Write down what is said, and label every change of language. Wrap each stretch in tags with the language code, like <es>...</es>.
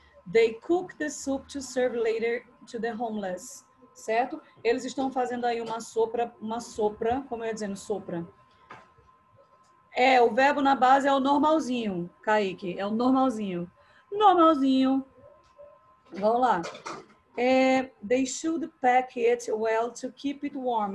<en>They cook the soup to serve later to the homeless.</en> <pt>Certo? Eles estão fazendo aí uma sopa, como eu ia dizendo, sopa. É, o verbo na base é o normalzinho, Kaique. É o normalzinho. Normalzinho. Vamos lá.</pt> <en>É, they should pack it well to keep it warm.</en>